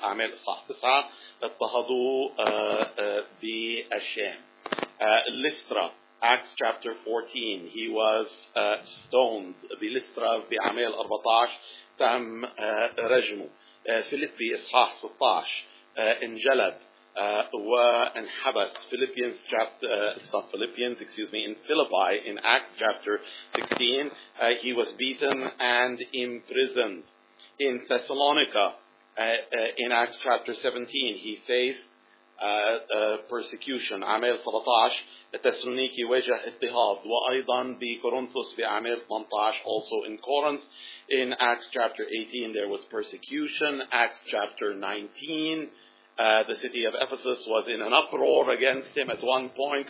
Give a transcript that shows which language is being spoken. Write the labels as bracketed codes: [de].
[ar] أعمال إصحاح 9 اضطهدوا بالشام. [en] Lystra, Acts chapter 14, he was stoned. [ar] بلسترا بأعمال 14 تم رجمه. فيليبي إصحاح 16 انجلد وانحبس. [en] Philippians chapter, it's not Philippians, excuse me, in Philippi, in Acts chapter 16, he was beaten and imprisoned. In Thessalonica, in Acts chapter 17, he faced persecution. [ar] أعمال 13, التسلونيكي واجه اضطهاد. وأيضا بكورنثوس بأعمال 18, [en] also in Corinth. In Acts chapter 18, there was persecution. Acts chapter 19, the city of Ephesus was in an uproar against him at one point.